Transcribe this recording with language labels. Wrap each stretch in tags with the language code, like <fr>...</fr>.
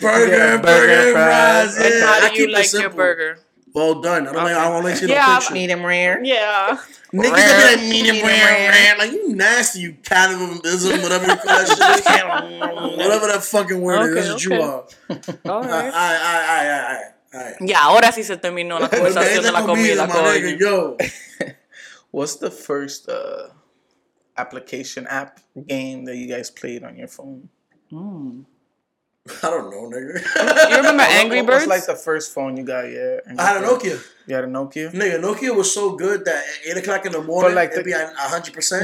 <en>Burger and fries. Yeah. And how do you like your burger? Well done. I don't want to let you know. Medium rare. Yeah. Niggas are like medium rare. Like, you nasty, you cannibalism, whatever your question is. Whatever that fucking word is, that's what you are. All right.</en> <es>Yeah, ahora sí se terminó la conversación de la comida.</es> <en>My nigga, yo. What's the first application app game that you guys played on your phone? I don't know, nigga. You remember Angry Birds? What was like the first phone you got, yeah. I had a Nokia. You had a Nokia? Nigga, Nokia was so good that at 8 o'clock in the morning, like it'd be at 100%.</en>